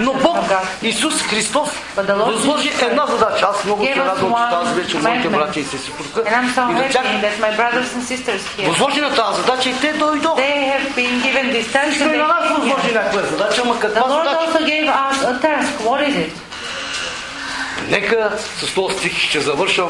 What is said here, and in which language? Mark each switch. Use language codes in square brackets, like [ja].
[bg] Но Бог, Исус Христос, възложи една задача. Аз много се радвам, че тази вечер моите братя и сестри тук. [en] And I'm so happy that my brothers and sisters here. [bg] Възложи на тази задача и те дойдох. [en] They have been given this task. [bg] И на нас възложи някоя задача, ама каква задача? [en] The Lord also gave us a task. What is it? [bg] Нека с този стих ще завършам.